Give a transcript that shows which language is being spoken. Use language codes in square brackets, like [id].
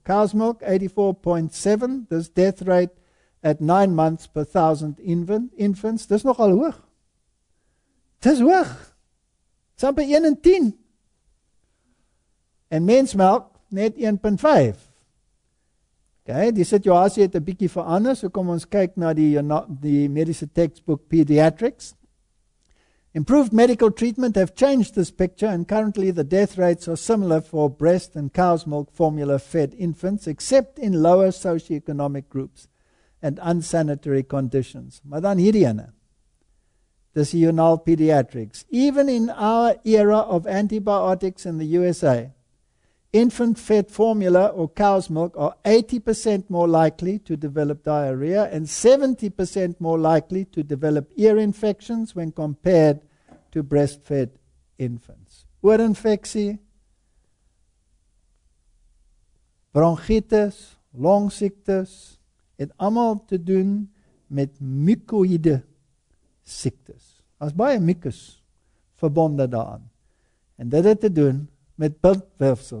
[en] Cow's Milk, 84.7, dis death rate at 9 months per 1,000 infants, [af] dis nogal hoog. Dis hoog. Dis amper 1 in 10. En mensmelk net 1.5. Okay, die situasie het 'n bietjie verander, so kom ons kyk na die mediese tekstboek Pediatrics. [en] Improved medical treatment have changed this picture and currently the death rates are similar for breast and cow's milk formula fed infants, except in lower socio-economic groups and unsanitary conditions. [af] Maar dan hierdie ene. Dis die [en] Journal Pediatrics. Even in our era of antibiotics in the USA, infant-fed formula or cow's milk are 80% more likely to develop diarrhea and 70% more likely to develop ear infections when compared to breastfed infants. [af] Oorinfeksie, bronchitis, longsiektes, het allemaal te doen met mucoïde siektes. Daar is baie mucus verbonde daaraan. En dit het te doen met bindweefsel.